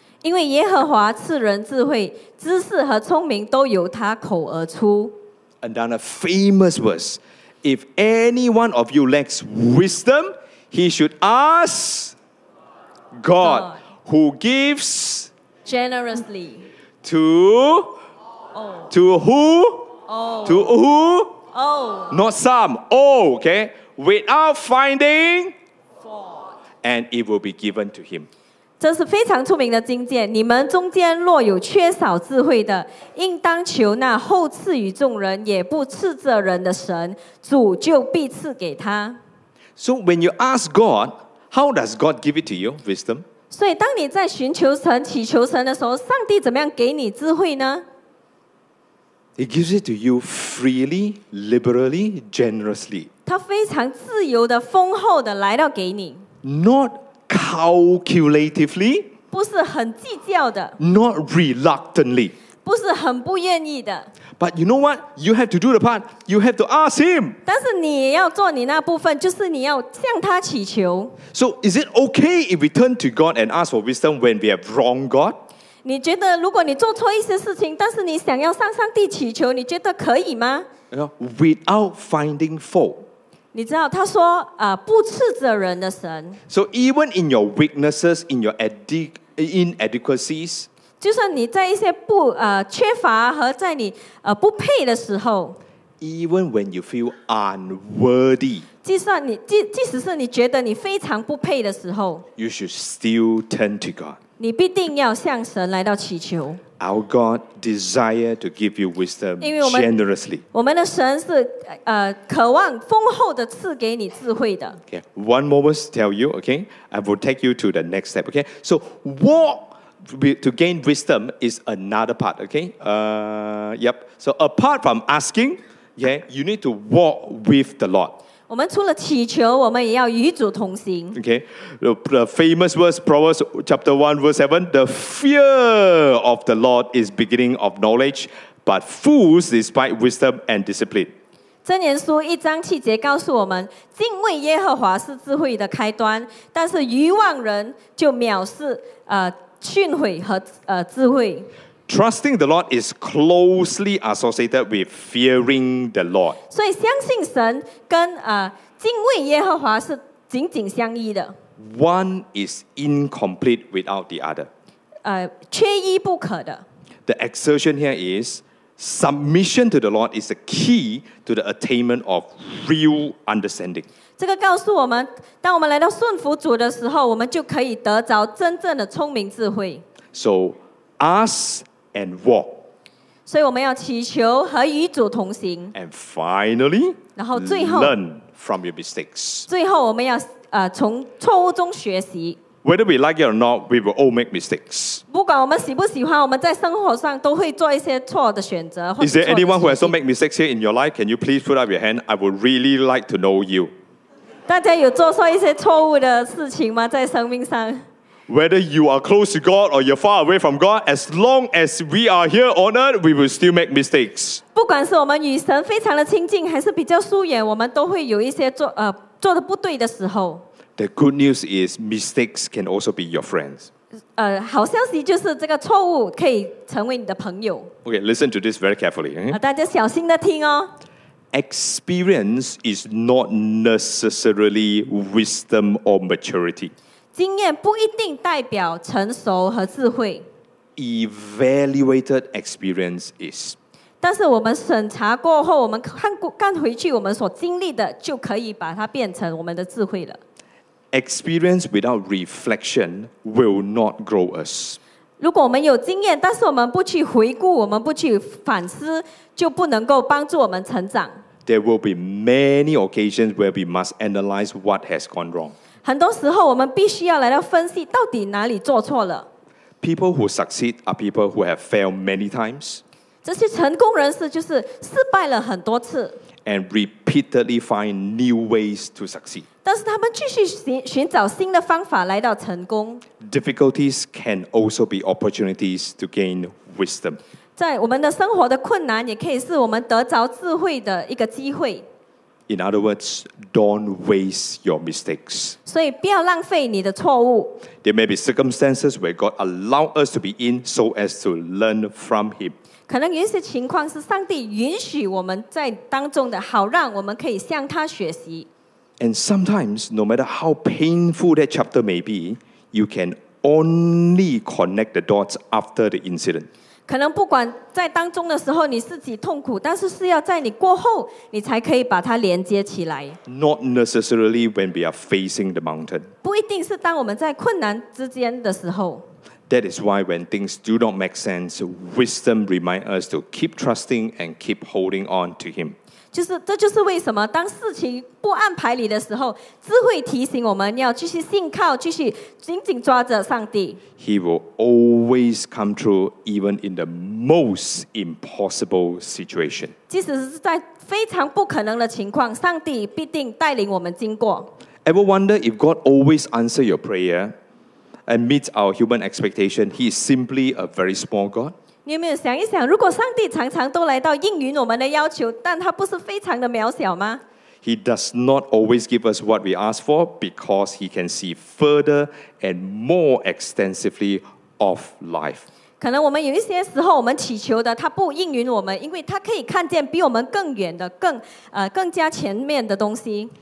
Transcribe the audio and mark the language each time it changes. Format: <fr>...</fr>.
<zh>因为耶和华赐人智慧，知识和聪明都由他口而出。</zh> <en>And then a famous verse: If any one of you lacks wisdom, he should ask God, who gives generously to not some, okay, without finding fault, and it will be given to him.</en> <zh>这是非常出名的经典，你们中间若有缺少智慧的，应当求那后赐予众人也不斥责人的神，主就必赐给他。</zh> <en>So when you ask God, how does God give it to you, wisdom?</en> <zh>所以当你在寻求神、祈求神的时候，上帝怎么样给你智慧呢？</zh> <en>He gives it to you freely, liberally, generously.</en> <zh>他非常自由的、丰厚的来到给你。</zh> <en>NotCalculatively,</en> <zh>不是很计较的,</zh> <en>not reluctantly,</en> <zh>不是很不愿意的,</zh> <en>but you know what? You have to do the part. You have to ask him.</en> <zh>但是你要做你那部分，就是你要向他祈求。</zh> <en>So is it okay if we turn to God and ask for wisdom when we have wronged God?</en> <zh>你觉得如果你做错一些事情，但是你想要向上帝祈求，你觉得可以吗？</zh> <en>Without finding fault.</en> <zh>你知道他说不斥责人的神。</zh> <en>So even in your weaknesses, in your inadequacies,</en> <zh>就算你在一些不缺乏和在你不配的时候，</zh> <en>even when you feel unworthy,</en> <zh>即使是你觉得你非常不配的时候，</zh> <en>you should still turn to God.</en> <zh>你必定要向神来到祈求。</zh> <en>Our God desire to give you wisdom generously.</en> <zh>我们的神是渴望丰厚的赐给你智慧的。</zh> <en>Okay, one more verse tell you, okay? I will take you to the next step, okay? So, walk to gain wisdom is another part, okay? Yep. So, apart from asking, okay, you need to walk with the Lord.</en> <zh>我们除了祈求，我们也要与主同行。</zh> <en>Okay, the famous verse, Proverbs chapter 1, verse 7, the fear of the Lord is beginning of knowledge, but fools despise wisdom and discipline.</en> <zh>箴言书一章七节告诉我们，敬畏耶和华是智慧的开端，但是愚妄人就藐视训诲和智慧。</zh> <en>Trusting the Lord is closely associated with fearing the Lord.</en> <zh>所以相信神跟敬畏耶和华是紧紧相依的。</zh> <en>One is incomplete without the other.</en> <zh>缺一不可的。</zh> <en>The exertion here is submission to the Lord is the key to the attainment of real understanding.</en> <zh>这个告诉我们，当我们来到顺服主的时候，我们就可以得着真正的聪明智慧。</zh> <en>So, ask. and walk.</en> <zh>所以我们要祈求和与主同行。</zh> <en>And finally,</en> <zh>然后最后</zh> <en>learn from your mistakes.</en> <zh>最后我们要从错误中学习。</zh> <en>Whether we like it or not, we will all make mistakes.</en> <zh>不管我们喜不喜欢，我们在生活上都会做一些错的选择。</zh> <en>Is there anyone who has not made mistakes here in your life? Can you please put up your hand? I would really like to know you.</en> <zh>大家有做错一些错误的事情吗？在生命上。</zh> <en>Whether you are close to God or you're far away from God, as long as we are here on earth, we will still make mistakes.</en> <zh>不管是我们与神非常的亲近，还是比较疏远，我们都会有一些做的不对的时候。</zh> <en>The good news is mistakes can also be your friends.</en> <zh>好消息就是这个错误可以成为你的朋友。</zh> <en>Okay, listen to this very carefully.</en> <zh>大家小心的听哦。</zh> <en>Experience is not necessarily wisdom or maturity.</en> <zh>经验不一定代表成熟和智慧。</zh> <en>Evaluated experience is.</en> <zh>但是我们审查过后，我们看回去我们所经历的，就可以把它变成我们的智慧了。</zh> <en>Experience without reflection will not grow us.</en> <zh>如果我们有经验，但是我们不去回顾，我们不去反思，就不能够帮助我们成长。</zh> <en>There will be many occasions where we must analyze what has gone wrong.</en> <zh>很多时候，我们必须要来到分析，到底哪里做错了。</zh> <en>People who succeed are people who have failed many times.</en> <zh>这些成功人士就是失败了很多次。</zh> <en>And repeatedly find new ways to succeed.</en> <zh>但是他们继续寻找新的方法来到成功。</zh> <en>Difficulties can also be opportunities to gain wisdom.</en> <zh>在我们的生活的困难也可以是我们得着智慧的一个机会。</zh> <en>In other words, don't waste your mistakes.</en> <zh>所以不要浪费你的错误。</zh> <en>There may be circumstances where God allowed us to be in so as to learn from Him.</en> <zh>可能有一些情况是上帝允许我们在当中的，好让我们可以向他学习。</zh> <en>And sometimes, no matter how painful that chapter may be, you can only connect the dots after the incident.</en> <zh>可能不管在当中的时候你自己痛苦，但是是要在你过后，你才可以把它连接起来。</zh> <en>Not necessarily when we are facing the mountain.</en> <zh>不一定是当我们在困难之间的时候。</zh> <en>That is why when things do not make sense, wisdom reminds us to keep trusting and keep holding on to Him.</en> <zh>就是这就是为什么当事情不按牌理的时候，智慧提醒我们要继续信靠，继续紧紧抓着上帝。</zh> <en>He will always come through even in the most impossible situation.</en> <zh>即使是在非常不可能的情况，上帝必定带领我们经过。</zh> <en>Ever wonder if God always answers your prayer? And meet our human expectation, he is simply a very small God.</en> <zh>你有没有想一想，如果上帝常常都来到应允我们的要求，但他不是非常的渺小吗？</zh> <en>He does not always give us what we ask for because he can see further and more extensively of life.</en> <zh>可能我们有一些时候我们祈求的，他不应允我们，因为他可以看见比我们更远的，更加前面的东西。</zh>